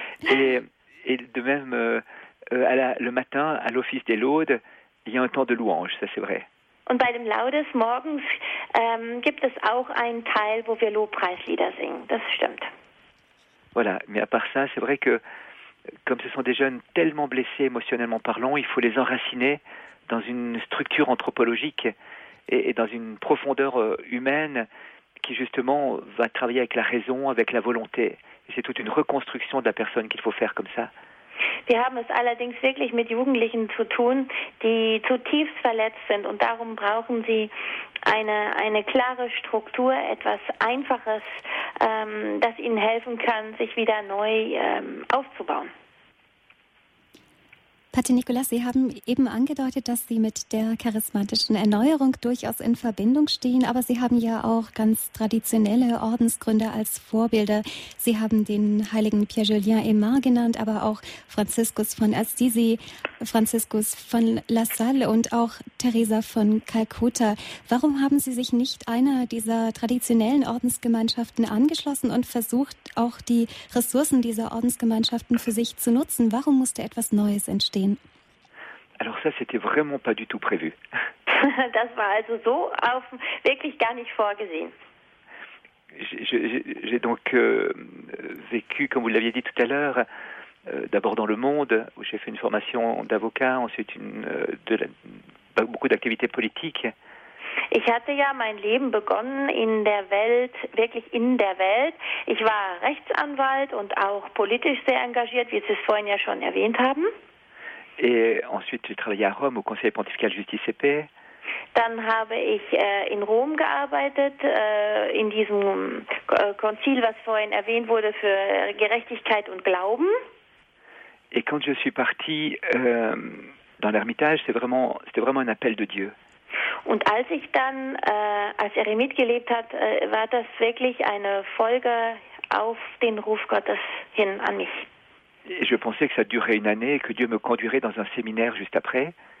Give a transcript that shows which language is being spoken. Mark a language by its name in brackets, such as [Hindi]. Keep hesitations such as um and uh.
[French] et, et de même, euh, euh, à la- le matin, à l'office des laudes, il y a un temps de louange, ça c'est vrai. [German] Und bei dem Laudes morgens ähm, gibt es auch einen Teil, wo wir Lobpreislieder singen. Das stimmt. [French] Voilà, mais à part ça, c'est vrai que comme ce sont des jeunes tellement blessés émotionnellement parlant, il faut les enraciner dans une structure anthropologique et, et dans une profondeur euh, humaine qui justement va travailler avec la raison, avec la volonté. Et C'est toute une reconstruction de la personne qu'il faut faire comme ça. [German] Wir haben es allerdings wirklich mit Jugendlichen zu tun, die zutiefst verletzt sind und darum brauchen sie eine, eine klare Struktur, etwas Einfaches, ähm, das ihnen helfen kann, sich wieder neu ähm, aufzubauen. Pater Nicolas, Sie haben eben angedeutet, dass Sie mit der charismatischen Erneuerung durchaus in Verbindung stehen, aber Sie haben ja auch ganz traditionelle Ordensgründer als Vorbilder. Sie haben den heiligen Pierre Julien Aymar genannt, aber auch Franziskus von Assisi, Franziskus von La Salle und auch Teresa von Calcutta. Warum haben Sie sich nicht einer dieser traditionellen Ordensgemeinschaften angeschlossen und versucht, auch die Ressourcen dieser Ordensgemeinschaften für sich zu nutzen? Warum musste etwas Neues entstehen? [French] Alors ça, c'était vraiment pas du tout prévu. [German] Das war also so auf, wirklich gar nicht vorgesehen. [French] J'ai- j'ai j'ai donc euh, euh, vécu, comme vous l'aviez dit tout à l'heure, euh, d'abord dans le monde, où j'ai fait une formation d'avocat, ensuite une, euh, de la- beaucoup d'activités politiques. [German] Ich hatte ja mein Leben begonnen in der Welt, wirklich in der Welt. Ich war Rechtsanwalt und auch politisch sehr engagiert, wie Sie es vorhin ja schon erwähnt haben. [French] Et ensuite, j'ai travaillé à Rome au Conseil pontifical Justice et Paix. [German] Dann habe ich äh, in Rom gearbeitet, äh, in diesem K Konzil, was vorhin erwähnt wurde, für Gerechtigkeit und Glauben. [French] Et quand je suis parti euh, dans l'Ermitage, c'est vraiment, c'était vraiment un appel de Dieu. [German] Und als ich dann äh, als Eremit gelebt hat, äh, war das wirklich eine Folge auf den Ruf Gottes hin an mich. [French] Et je pensais que ça durerait une année et que Dieu me conduirait dans un séminaire juste après.